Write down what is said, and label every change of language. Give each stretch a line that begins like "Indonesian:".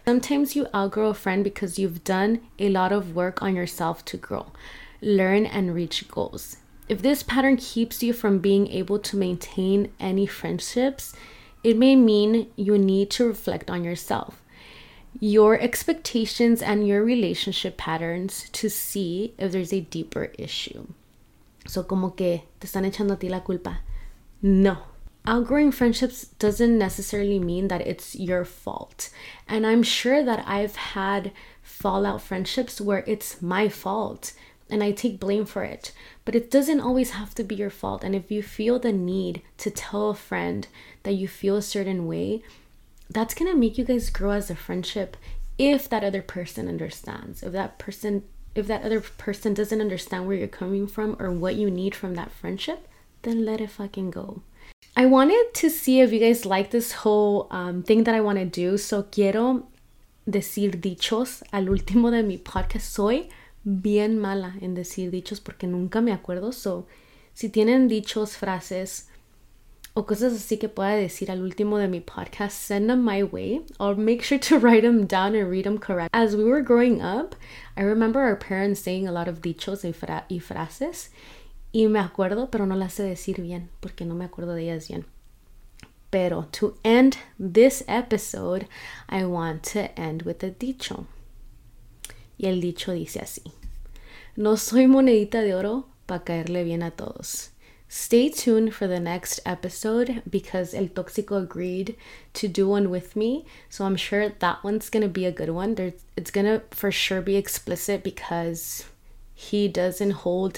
English: Sometimes you outgrow a friend because you've done a lot of work on yourself to grow, learn, and reach goals. If this pattern keeps you from being able to maintain any friendships, it may mean you need to reflect on yourself, your expectations, and your relationship patterns to see if there's a deeper issue.
Spanish: So, como que te están echando a ti la culpa. No.
English: Outgrowing friendships doesn't necessarily mean that it's your fault. And I'm sure that I've had fallout friendships where it's my fault and I take blame for it. But it doesn't always have to be your fault. And if you feel the need to tell a friend that you feel a certain way, that's going to make you guys grow as a friendship if that other person understands. If that other person doesn't understand where you're coming from or what you need from that friendship, then let it fucking go. I wanted to see if you guys like this whole thing that I want to do.
Spanish: So quiero decir dichos al último de mi podcast. Soy bien mala en decir dichos porque nunca me acuerdo. So si tienen dichos, frases o cosas así que pueda decir al último de mi podcast,
English: send them my way. I'll make sure to write them down and read them correct. As we were growing up, I remember our parents saying a lot of
Spanish: dichos y frases. Y me acuerdo, pero no las sé decir bien, porque no me acuerdo de ellas bien.
English: Pero to end this episode, I want to end with a dicho.
Spanish: Y el dicho dice así. No soy monedita de oro para caerle bien a todos.
English: Stay tuned for the next episode because El Tóxico agreed to do one with me. So I'm sure that one's going to be a good one. It's going to for sure be explicit because he doesn't hold his language. Stay tuned for the next, and thank you so much for tuning in.